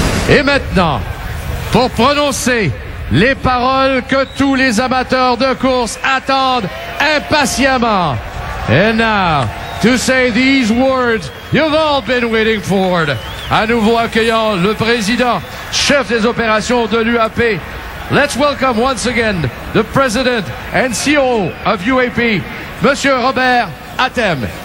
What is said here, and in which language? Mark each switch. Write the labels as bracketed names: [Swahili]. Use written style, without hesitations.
[French] Et maintenant, pour prononcer les paroles que tous les amateurs de course attendent impatiemment. [English] And now, to say these words you've all been waiting for. [French] À nouveau accueillant le président, chef des opérations de l'UAP. [English] Let's welcome once again the president and CEO of UAP, Monsieur Robert Attem.